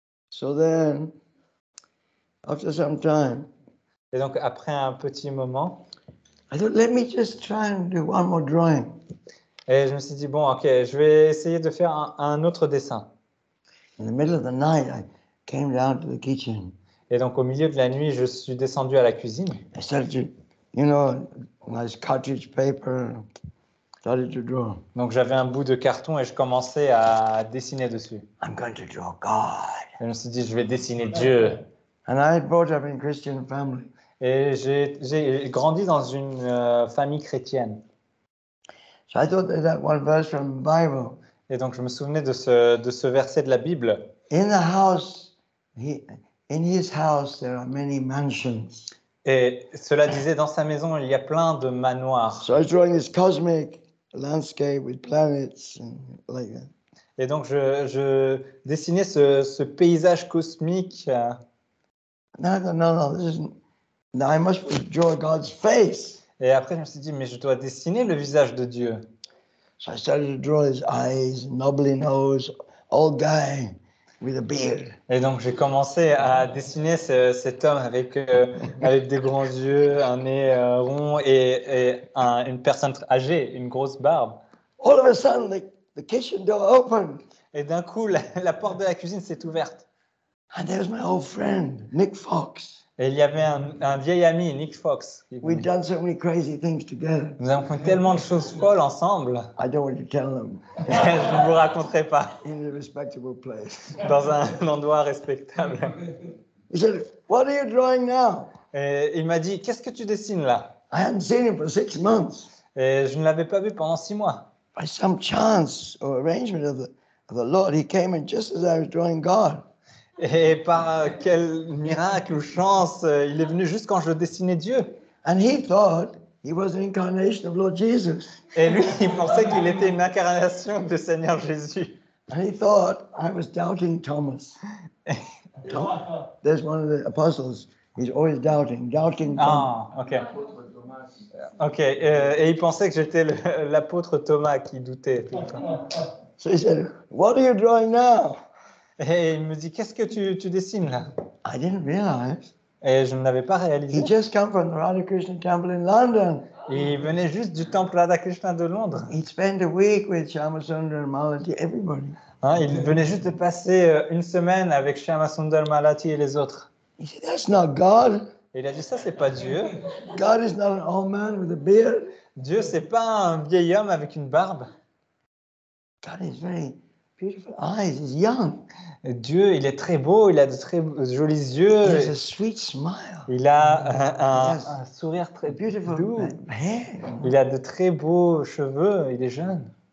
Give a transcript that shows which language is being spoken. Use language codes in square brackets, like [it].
[en] So then, after some time. [fr] Et donc après un petit moment. [en] I thought, let me just try and do one more drawing. [fr] Et je me suis dit, bon, ok, je vais essayer de faire un autre dessin. [en] In the middle of the night, I came down to the kitchen. [fr] Et donc, au milieu de la nuit, je suis descendu à la cuisine. [en] I started to, you know, nice cartridge paper, started to draw. [fr] Donc, j'avais un bout de carton et je commençais à dessiner dessus. [en] I'm going to draw God. [fr] Et je me suis dit, je vais dessiner Dieu. [en] And I brought up in a Christian family. [fr] Et j'ai grandi dans une famille chrétienne. [en] So I thought of that one verse from the Bible. [fr] Et donc je me souvenais de ce verset de la Bible. [en] In the house, in his house, there are many mansions. [fr] Et cela disait, dans sa maison, il y a plein de manoirs. [en] So I was drawing this cosmic landscape with planets and like that. [fr] Et donc, je dessinais ce paysage cosmique. [en] No, this isn't... Now I must draw God's face. [fr] Et après, je me suis dit, mais je dois dessiner le visage de Dieu. [en] So I started to draw his eyes, knobbly nose, old guy. With a beard. [fr] Et donc j'ai commencé à dessiner cet homme avec des grands yeux, un nez rond et une personne âgée, une grosse barbe. [en] All of a sudden, the kitchen door opened. [fr] Et d'un coup, la porte de la cuisine s'est ouverte. [en] And there was my old friend, Nick Fox. [fr] Et il y avait un vieil ami, Nick Fox. [en] We've done so many crazy things together. [fr] Nous avons fait tellement de choses folles ensemble. [en] I don't want to tell them. [fr] Je ne vous raconterai pas. [en] In a respectable place. [fr] Dans un endroit respectable. [en] He said, "What are you drawing now?" [fr] Et il m'a dit, qu'est-ce que tu dessines là? [en] I hadn't seen him for 6 months. [fr] Et je ne l'avais pas vu pendant 6 mois. [en] By some chance or arrangement of the Lord, he came in just as I was drawing God. [fr] Et par quel miracle ou chance, il est venu juste quand je dessinais Dieu. [en] And he thought he was an incarnation of Lord Jesus. [fr] Et lui, il pensait qu'il était une incarnation du Seigneur Jésus. [en] And he thought I was doubting Thomas. There's one of the apostles. He's always doubting Thomas. Ah, ok. [fr] Ok, et il pensait que j'étais l'apôtre Thomas qui doutait tout le temps. [en] So he said, "What are you drawing now?" [fr] Et il me dit, qu'est-ce que tu dessines là? [en] I didn't realize. [fr] Et je ne l'avais pas réalisé. [en] He just came from the Radhakrishna Temple in London. [fr] Il venait juste du temple Radhakrishna de Londres. [en] He spent a week with Shyamasundara Malati, everybody. [fr] Hein, il venait juste de passer une semaine avec Shyamasundara Malati et les autres. [en] He said, "That's not God." [fr] Et il a dit, ça, c'est pas Dieu. [en] God is not an old man with a beard. [fr] Dieu, c'est pas un vieil homme avec une barbe. [en] God is very beautiful eyes. He's young. [fr] Dieu, il est très beau. Il a de très jolis yeux. [en] He has a sweet smile. [fr] Il a un sourire très [en] beautiful [fr] doux. [en] Hair. [fr] Il a de très beaux cheveux. Il est jeune.